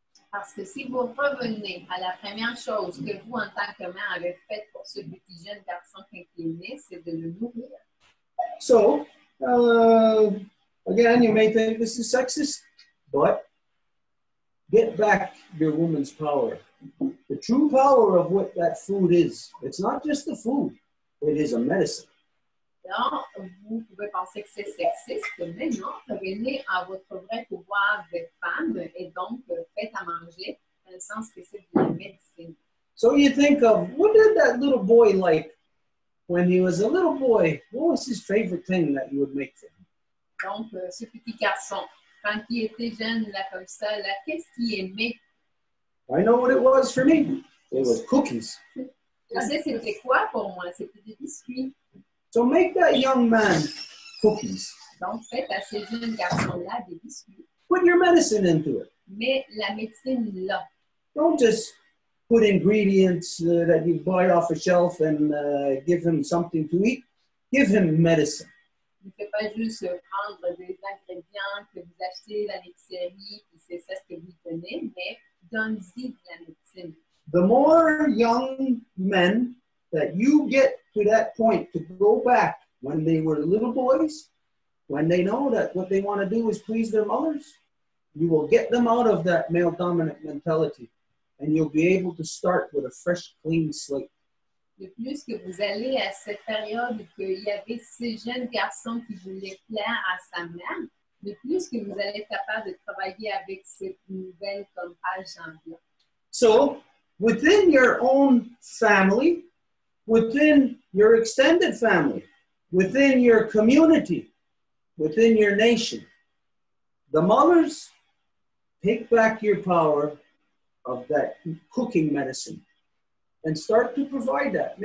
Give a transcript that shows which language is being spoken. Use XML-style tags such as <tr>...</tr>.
<fr>Parce que si vous revenez à la première chose que vous, en tant que mère, avez faite pour ce petit jeune garçon qui est né, c'est de le nourrir.</fr> <en>So, again, you may think this is sexist, but get back your woman's power. The true power of what that food is, it's not just the food, it is a medicine.</en> <fr>Non, vous pouvez penser que c'est sexiste, mais non, revenez à votre vrai pouvoir de femme et donc faites à manger dans le sens que c'est de la médecine.</fr> <en>So you think of, what did that little boy like when he was a little boy? What was his favorite thing that you would make for him?</en> <fr>Donc, ce petit garçon, quand il était jeune, là, comme ça, là, qu'est-ce qu'il aimait?</fr> <en>I know what it was for me. It was cookies.</en> <fr>Je sais c'était quoi pour moi? C'était des biscuits.</fr> <en>So make that young man cookies.</en> <fr>Donc, faites à ce jeune garçon-là des biscuits.</fr> <en>Put your medicine into it.</en> <fr>Mets la médecine là.</fr> <en>Don't just put ingredients that you buy off a shelf and give him something to eat. Give him medicine.</en> <fr>Ne fais pas juste prendre des ingrédients que vous achetez dans les séries, puis c'est ça ce que vous donnez, mais donnez-y de la médecine.</fr> <en>The more young men that you get to that point to go back when they were little boys, when they know that what they want to do is please their mothers, you will get them out of that male dominant mentality and you'll be able to start with a fresh, clean slate.</en> <fr>De plus que vous allez à cette période qu'il y avait ce jeune garçon qui voulait plaire à sa mère, de plus que vous allez être capable de travailler avec cette nouvelle comme page en bleu.</fr> <en>So, within your own family, within your extended family, within your community, within your nation, the mothers, take back your power of that cooking medicine and start to provide that.</en>